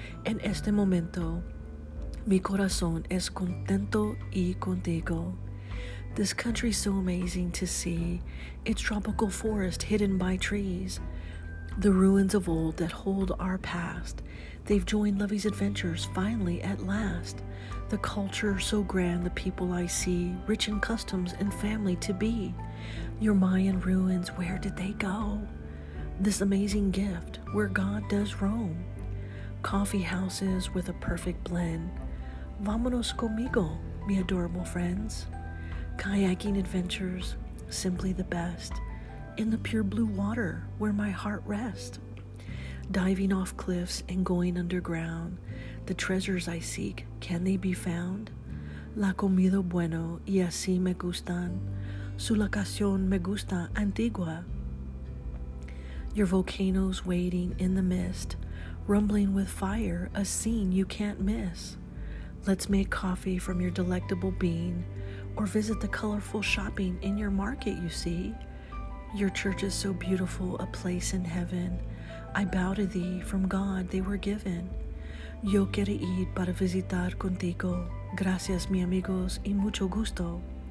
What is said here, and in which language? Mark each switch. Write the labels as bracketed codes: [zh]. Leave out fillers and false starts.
[es] En este momento, mi corazón es contento y contigo. [en] This country is so amazing to see. It's tropical forest hidden by trees. The ruins of old that hold our past. They've joined Lovey's Adventures finally at last. The culture so grand, the people I see, rich in customs and family to be. Your Mayan ruins, where did they go? This amazing gift, where God does roam. Coffee houses with a perfect blend. Vámonos conmigo, mi adorable friends. Kayaking adventures, simply the best. In the pure blue water, where my heart rests. Diving off cliffs and going underground. The treasures I seek, can they be found? [es] La comida bueno y así me gustan. Su locación me gusta, Antigua. [en] Your volcanoes waiting in the mist, rumbling with fire, a scene you can't miss. Let's make coffee from your delectable bean, or visit the colorful shopping in your market, you see. Your church is so beautiful, a place in heaven. I bow to thee, from God they were given. [es] Yo quiero ir para visitar contigo. Gracias, mi amigos, y mucho gusto.